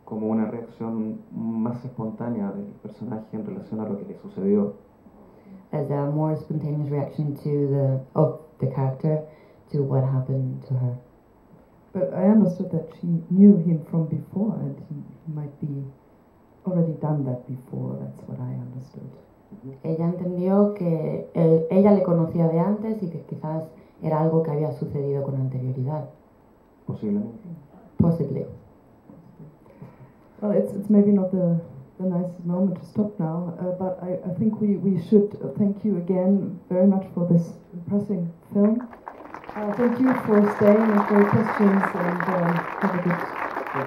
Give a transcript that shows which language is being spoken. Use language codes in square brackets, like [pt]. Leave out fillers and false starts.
[es] Como una reacción más espontánea del personaje en relación a lo que le sucedió. [en] As a more spontaneous reaction of the character to what happened to her. But I understood that she knew him from before, and he might be already done that before. That's what I understood. [es] Ella entendió que ella le conocía de antes y que quizás era algo que había sucedido con anterioridad. Posiblemente. [en] Possibly. Well, it's maybe not the nicest moment to stop now, but I think we should thank you again very much for this impressive film. Thank you for staying and for your questions, and have a good day.